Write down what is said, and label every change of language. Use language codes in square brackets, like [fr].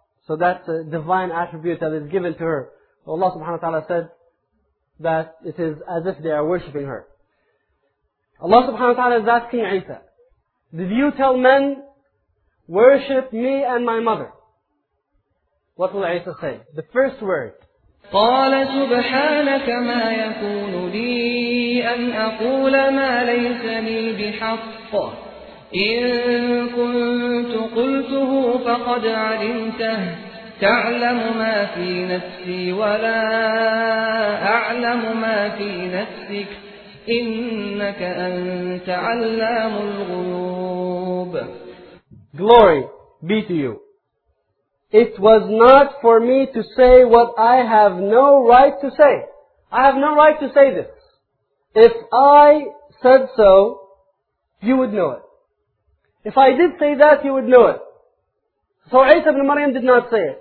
[en] So that's a divine attribute that is given to her. So Allah subhanahu wa ta'ala said that it is as if they are worshipping her. Allah subhanahu wa ta'ala is asking Isa, did you tell men, worship me and my mother? What will Isa say? The first word. [ar] قال سبحانك ما يكون لي أن أقول ما ليس لي بحق إن كنت قلته فقد علمته تعلم ما في نفسي ولا أعلم ما في نفسك إنك أنت علام الغيوب. [en] Glory be to you. It was not for me to say what I have no right to say. I have no right to say this. If I said so, you would know it. If I did say that, you would know it. So Isa ibn Maryam did not say it.